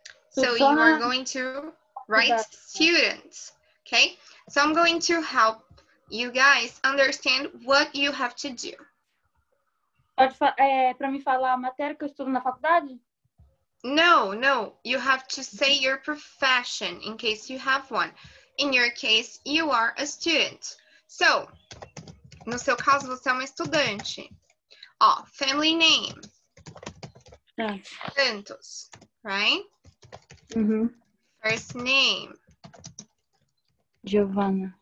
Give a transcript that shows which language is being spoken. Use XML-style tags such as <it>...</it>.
<en>So you are going to write students, okay? So I'm going to help you guys understand what you have to do.</en> <pt>Pode para me falar a matéria que eu estudo na faculdade?</pt> <en>No, no. You have to say your profession in case you have one. In your case, you are a student.</en> <pt>So, no seu caso, você é uma estudante.</pt> <en>Ó, family name. Santos, right? Uhum. First name. Giovanna.</en>